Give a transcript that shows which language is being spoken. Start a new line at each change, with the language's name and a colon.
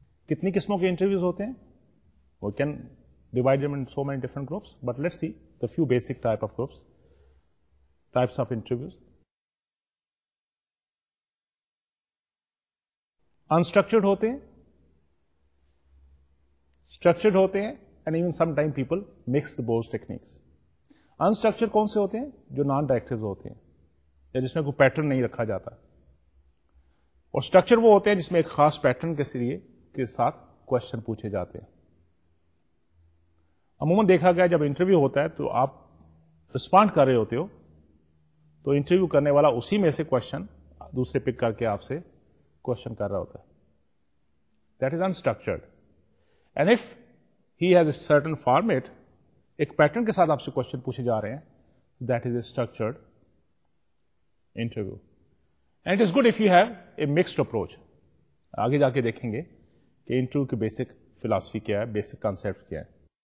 Urdu: Kitni kismon ke interviews hote hain,
English: we can divide them in so many different groups, but let's see the few basic type of groups, types of interviews.
Urdu: Unstructured hote hain, structured hote hain,
English: and even sometime people mix the both techniques.
Urdu: Unstructured کون سے ہوتے ہیں؟ جو non-directives ہوتے ہیں یا جس میں کوئی pattern نہیں رکھا جاتا. اور اسٹرکچر وہ ہوتے ہیں جس میں ایک خاص پیٹرن کے ذریعے کے ساتھ کوشچن پوچھے جاتے ہیں. عموماً دیکھا گیا جب انٹرویو ہوتا ہے تو آپ رسپونڈ کر رہے ہوتے ہو تو انٹرویو کرنے والا اسی میں سے کوشچن دوسرے پک کر کے آپ سے کوشچن کر رہا ہوتا ہے.
English: That is unstructured. And if he has a certain format,
Urdu: ایک پیٹرن کے ساتھ آپ سے کوشچن پوچھے جا رہے ہیں,
English: That is a structured interview. And it is good if you have a mixed approach.
Urdu: آگے جا کے دیکھیں گے کہ انٹرویو کی بیسک فلاسفی کیا ہے, بیسک کانسیپٹ کیا ہے.